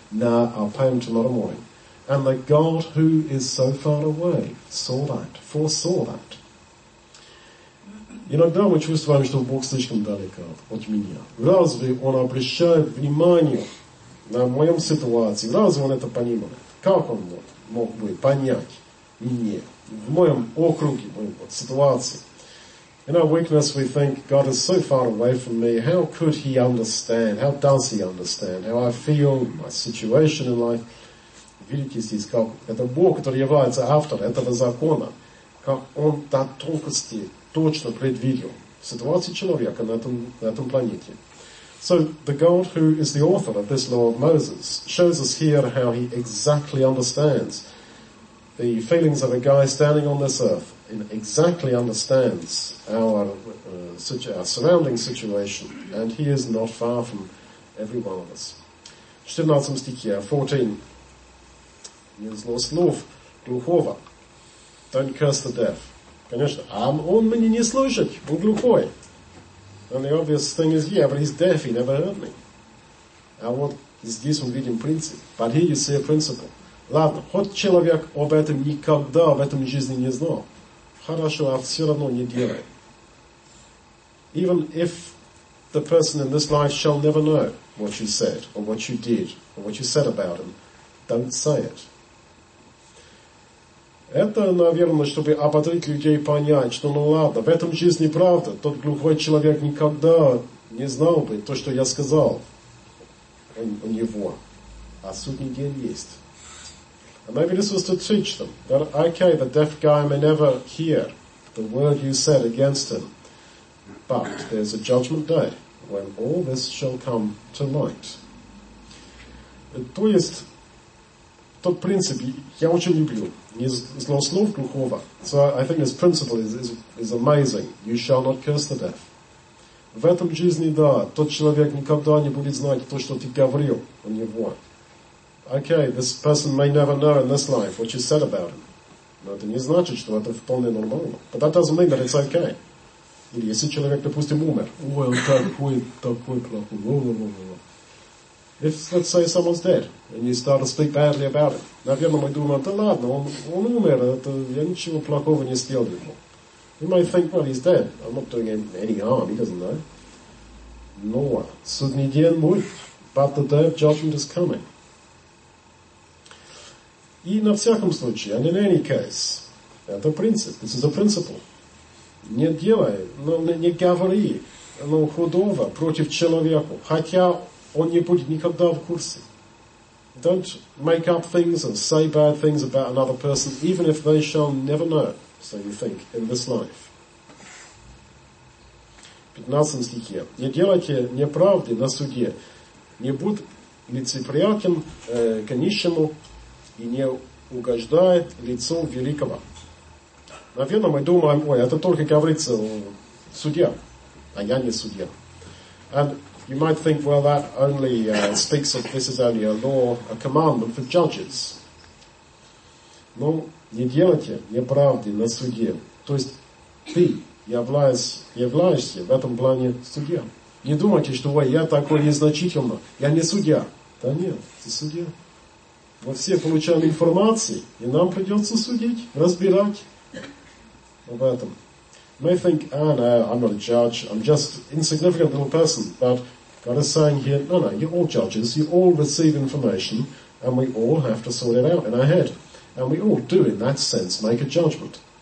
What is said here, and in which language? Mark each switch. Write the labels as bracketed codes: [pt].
[en] Nah, I'll pay him tomorrow morning. And the God who is so far away saw that, foresaw that. [ru] Иногда мы чувствуем, что Бог слишком далеко от меня. Разве Он обращает внимание на мою ситуацию? Разве Он это понимает? Как Он мог бы понять меня в моем округе, в моем ситуации? [en] In our weakness, we think, God is so far away from me. How could He understand? How does He understand how I feel, my situation in life? [ru] Видите здесь, как это Бог, который является автором этого закона, как Он до тонкости точно предвидел ситуацию человека на этом планете. [en] So, the God who is the author of this law of Moses shows us here how He exactly understands the feelings of a guy standing on this earth. Exactly understands our surrounding situation, and He is not far from every one of us. [ru] 14 стихе, 14. Не злость слов духова. [en] don't curse the deaf. [ru] Конечно. А он мне не слышит, он глухой. [en] And the obvious thing is, yeah, but he's deaf, he never heard me. [ru] А вот здесь мы видим принцип. [en] But here you see a principle. [ru] Ладно, хоть человек об этом никогда, об этом жизни не знал. Хорошо, а все равно не делай. [en] Even if the person in this life shall never know what you said, or what you did, or what you said about him, don't say it. [ru] Это, наверное, чтобы ободрить людей понять, что ну ладно, в этом жизни правда, тот глухой человек никогда не знал бы то, что я сказал у него. А судный день есть. [en] And maybe this was to teach them that, okay, the deaf guy may never hear the word you said against him, but there's a judgment day when all this shall come to light. [ru] То есть, тот принцип я очень люблю, не злослов глухого. [en] So I think this principle is amazing. You shall not curse the deaf. [ru] В этом жизни, да, тот человек никогда не будет знать то, что ты говорил у него. [en] Okay, this person may never know in this life what you said about him. [ru] Но это не значит, что это вполне нормально. [en] But that doesn't mean that it's okay. [ru] Или если человек, допустим, умер. Ой, он такой плохой. [en] If, let's say, someone's dead, and you start to speak badly about him. [ru] Наверное, мы думаем, да ладно, он умер, это, я ничего плохого не сделал ему. [en] You might think, well, he's dead. I'm not doing him any harm, he doesn't know. [ru] Но судный день будет, [en] but the day of judgment is coming. [ru] И на всяком случае, [en] and in any case, [ru] это принцип, [en] this is a principle. [ru] Не делай, но не говори, но худого против человека, хотя он не будет никогда в курсе. [en] Don't make up things and say bad things about another person, even if they shall never know, so you think, in this life. [ru] 15 стихе. Не делайте неправды на суде, не будь лицеприятен к нищему, и не угождает лицу великого. Наверное, мы думаем, ой, это только говорится о суде, а я не судья. [en] And you might think, well, that only speaks of, this is only a law, a commandment for judges. [ru] Но не делайте неправды на суде. То есть ты являешься в этом плане судья. Не думайте, что, ой, я такой незначительный, я не судья. Да нет, ты судья. Мы все получаем информацию, и нам придется судить, разбирать об этом. [en] You may think, ah, oh, no, I'm not a judge, I'm just insignificant little person, but God is saying here, no, no, you're all judges, you all receive information, and we all have to sort it out in our head. And we all do, in that sense, make a judgment.